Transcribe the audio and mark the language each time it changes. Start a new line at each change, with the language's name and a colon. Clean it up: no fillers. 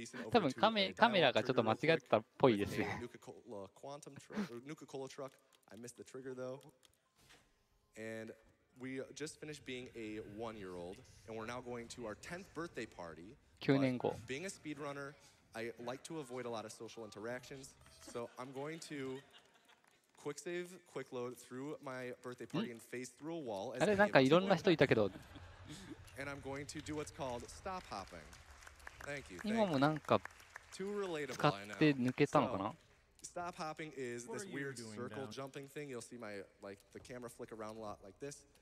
Japanese: 多分カメラがちょっと間違ってたっぽいですね。
English: Nuka-Cola truck. I missed the trigger though. And we just finished being a one-year-old, and we're now going to our 10th birthday party.
Japanese: 9年後。
English: Being a speedrunner, I like to avoid a lot of social interactions, so I'm going to. Quick save, quick load through my birthday party and face through a wall.
Japanese: あれなんかいろんな人いたけど。
English: And I'm going to do what's called stop hopping. Thank you.
Japanese: 今もなんか使って抜けたのかな。
English: Stop hopping is this weird circle jumping thing. You'll see my like the camera flick around a lot like this.